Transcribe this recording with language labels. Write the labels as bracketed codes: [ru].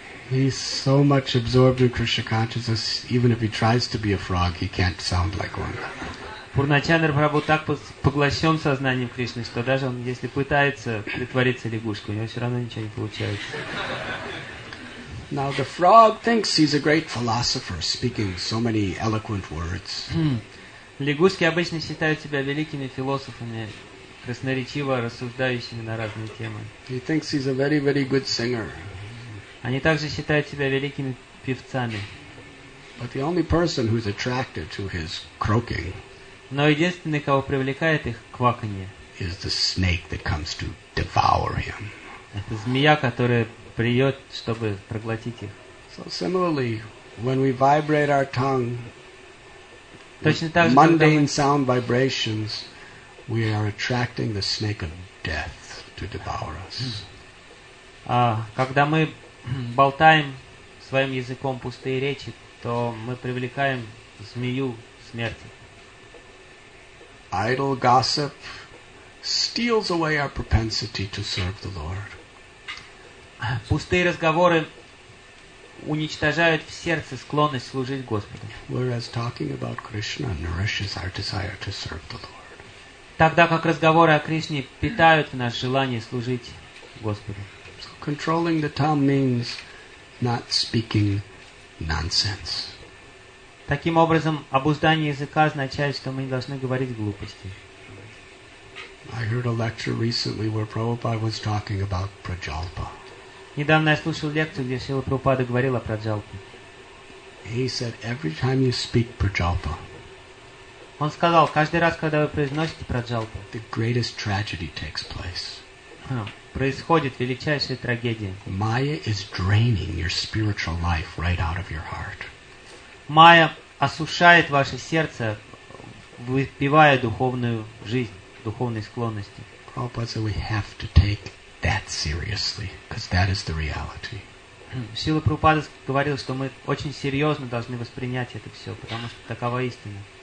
[en] He's so much absorbed in Krishna consciousness, even if he tries to be a frog, he can't sound like one. [ru] Пурначандра Прабху так поглощен сознанием Кришны, что даже он, если пытается притвориться лягушкой, у него все равно ничего не получается. [en] Now the frog thinks he's a great philosopher, speaking so many eloquent words. [ru] Лягушки обычно считают себя великими философами, красноречиво рассуждающими на разные темы. [en] He thinks he's a very, very good singer. [ru] Они также считают себя великими певцами. [en] But the only person who's attracted to his croaking. [ru] Но единственный, кого привлекает их кваканье. [en] Is the snake that comes to devour him. [ru] Это змея, которая приёт, чтобы проглотить их. [en] So similarly, when we vibrate our tongue, [ru] точно так же, [en] mundane sound vibrations, we are attracting the snake of death to devour us. [ru] Когда мы болтаем своим языком пустые речи, то мы привлекаем змею смерти. [en] Idle gossip steals away our propensity to serve the Lord. [ru] Пустые разговоры уничтожают в сердце склонность служить Господу. [en] Whereas talking about Krishna nourishes our desire to serve the Lord. [ru] Тогда как разговоры о Кришне питают в нас желание служить Господу. [en] So controlling the tongue means not speaking nonsense. [ru] Таким образом, обуздание языка означает, что мы не должны говорить глупости. [en] I heard a lecture recently where Prabhupada was talking about prajalpa. [ru] Недавно я слушал лекцию, где Шрила Прабхупада говорил о праджалпе. [en] He said, every time you speak prajalpa. [ru] Он сказал, каждый раз, когда вы произносите праджалпу, [en] the greatest tragedy takes place. [ru] Происходит величайшая трагедия. [en] Maya is draining your spiritual life right out of your heart. [ru] Майя осушает ваше сердце, выпивая духовную жизнь, духовные склонности. [en] Prabhupada said, we have to take that seriously, because that is the reality. [ru] Шрила Прабхупада говорил, что мы очень серьезно должны воспринять это все, потому что такова истина.